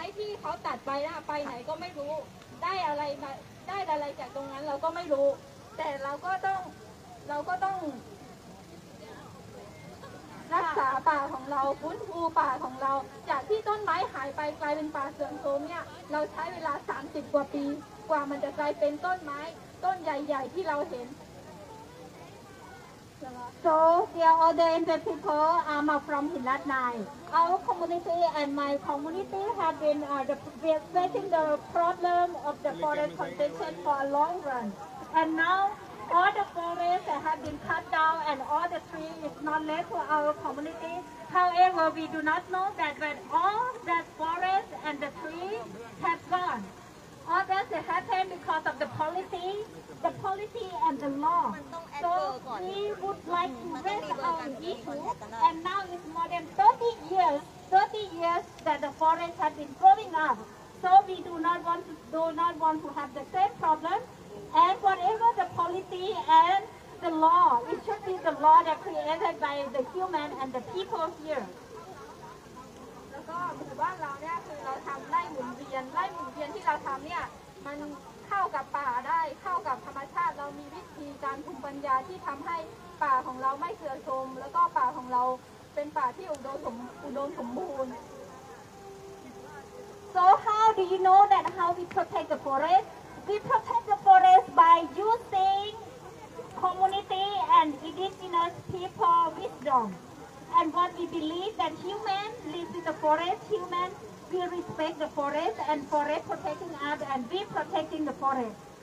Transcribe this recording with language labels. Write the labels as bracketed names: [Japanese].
[Thai] ต้นไม้ที่เขาตัดไปนะไปไหนก็ไม่ได้อะไรมาได้อะไรจากตรงนั้นเราก็ไม่รู้แต่เราก็ต้องรักษาป่าของเราฟื้นฟูป่าของเราจากที่ต้นไม้หายไปกลายเป็นป่าเสื่อมโทรมเนี่ยเราใช้เวลา30กว่าปีกว่ามันจะกลายเป็นต้นไม้ต้นใหญ่ๆที่เราเห็น [English] So the other people are from Hilat Nai. Our community and my community have been facing the problem of the forest condition for a long run. And now all the forests have been cut down and all the trees is not left for our community. However, we do not know that when all that forest and the trees have gone. All this happened because of the policy and the law. So we would like to raise our issue. And now it's more than 30 years that the forest has been growing up. So we do not want to have the same problem. And whatever the policy and the law, it should be the law that created by the human and the people here. [Thai] ก็หมู่บ้านเราเนี่ยคือเราทำไร่หมุนเวียนไร่หมุนเวียนที่เราทำเนี่ยมันเข้ากับป่าได้เข้ากับธรรมชาติเรามีวิธีการภูมิปัญญาที่ทำให้ป่าของเราไม่เสื่อมโทรมแล้วก็ป่าของเราเป็นป่าที่อุดมสมบูรณ์ [English] So how do you know that how we protect the forest? We protect the forest by using community and indigenous people wisdomAnd what we believe that human lives in the forest, human we respect the forest and forest protecting us and we protecting the forest.